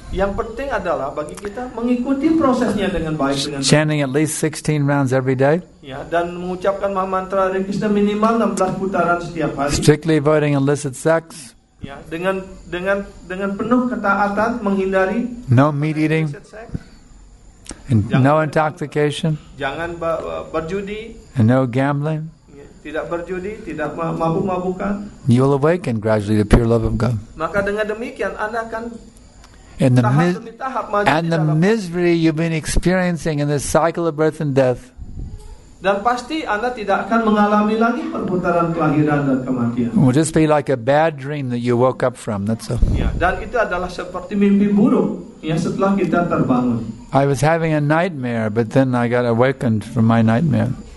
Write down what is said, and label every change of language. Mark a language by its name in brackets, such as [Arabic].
[Indonesian] yang penting adalah bagi kita mengikuti prosesnya dengan baik. [English] Chanting at least 16 rounds every day. [Indonesian] Ya, dan mengucapkan mantra Hare Krishna minimal 16 putaran setiap hari. [English] Strictly avoiding illicit sex. [Indonesian] Ya, dengan penuh ketaatan menghindari [English] no meat eating and no intoxication, [Indonesian] jangan berjudi [English] and no gambling, [Indonesian] tidak berjudi, tidak mabuk-mabukan, [English] you will awaken gradually the pure love of God. [Indonesian] Maka dengan demikian Anda akan [English] and the misery you've been experiencing in this cycle of birth and death, [Indonesian] dan pasti Anda tidak akan mengalami lagi perputaran kelahiran dan kematian. [English] It will just be like a bad dream that you woke up from. That's all. [Indonesian] Ya, dan itu adalah seperti mimpi buruk yang setelah kita terbangun. [English] I was having a nightmare, but then I got awakened from my nightmare.